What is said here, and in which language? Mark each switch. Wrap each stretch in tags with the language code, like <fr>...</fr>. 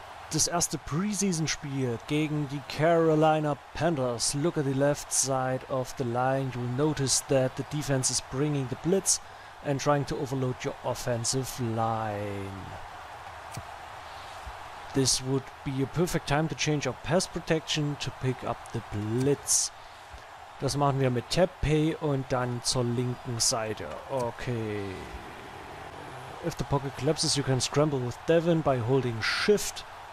<de>Das erste Preseason-Spiel gegen die Carolina Panthers.</de> <en>Look at the left side of the line. You'll notice that the defense is bringing the blitz and trying to overload your offensive line. This would be a perfect time to change our pass protection to pick up the blitz.</en> <de>Das machen wir mit Tap Pay und dann zur linken Seite. Okay.</de> <en>If the pocket collapses, you can scramble with Devin by holding Shift.</en>